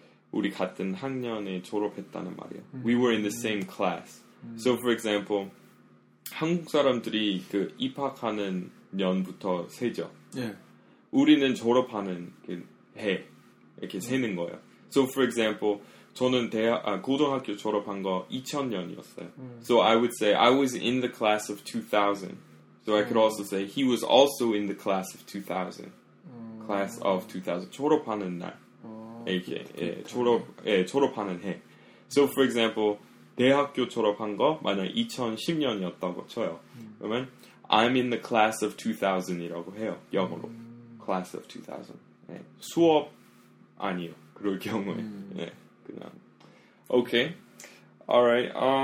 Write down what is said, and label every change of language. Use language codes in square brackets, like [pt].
[ko] 우리 같은 학년에 졸업했다는 말이에요. [en] We were in the same class. So for example, [ko] 한국 사람들이 그 입학하는 년부터 세죠. 예. [en] Yeah. [ko] 우리는 졸업하는 해 이렇게 세는 거예요. [en] So for example, [ko] 저는 고등학교 졸업한 거 2000년이었어요. [en] So I would say I was in the class of 2000. So I could also say he was also in the class of 2000. Class of 2000. [ko] 졸업하는 날 이렇게 졸업하는 해. [en] So for example, [ko] 대학교 졸업한 거 만약 2010년이었다고 쳐요. 그러면 [en] I'm in the class of 2000 [ko] 이라고 해요 영어로. [en] Class of 2000. [ko] 네. 수업 아니요. 그럴 경우에. 네. 그냥. [en] Okay. Alright.